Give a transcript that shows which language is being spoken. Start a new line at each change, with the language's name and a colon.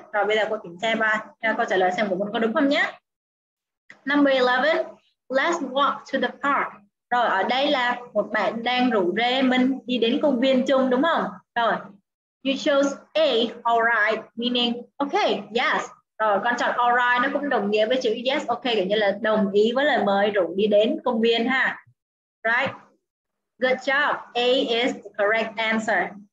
Vietnamese: Rồi bây giờ cô kiểm tra ba cho cô trả lời xem của con có đúng không nhé.
English: Number 11, let's walk to the park.
Vietnamese: Rồi ở đây là một bạn đang rủ rê mình đi đến công viên chung đúng không?
English: Rồi, you chose A, all right, meaning okay, yes.
Vietnamese: Rồi con chọn all right, nó cũng đồng nghĩa với chữ yes, okay, kiểu như là đồng ý với lời mời rủ đi đến công viên ha.
English: Right, good job, A is the correct answer.